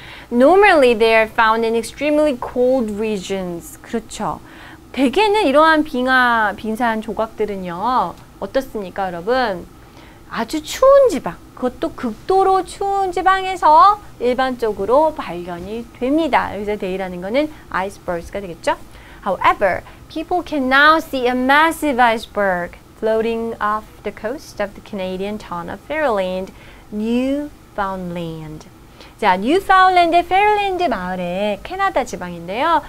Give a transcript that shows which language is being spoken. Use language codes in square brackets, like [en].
[en] Normally, they are found in extremely cold regions. [ko] 그렇죠. 대개는 이러한 빙하, 빙산 조각들은요. 어떻습니까, 여러분? 아주 추운 지방, 그것도 극도로 추운 지방에서 일반적으로 발견이 됩니다. 여기서 day라는 거는 icebergs가 되겠죠. [en] However, people can now see a massive iceberg floating off the coast of the Canadian town of Fairland, Newfoundland. [ko] 자, 뉴파운랜드의 페어랜드 마을에 캐나다 지방인데요.